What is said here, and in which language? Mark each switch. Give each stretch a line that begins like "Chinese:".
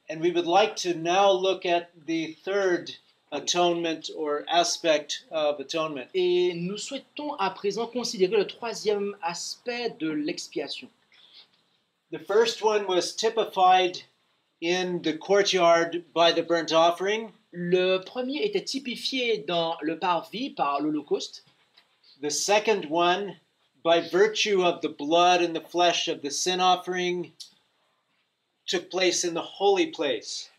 English: And we would like to now look at the third atonement or aspect of atonement.
French: Et nous souhaitons à présent considérer le troisième aspect de l'expiation.
English: The first one was typified in the courtyard by the burnt offering.
French: Le premier était typifié dans le parvis par l'holocauste.
English: The second one, by virtue of the blood and the flesh of the sin offering, took place in the holy place.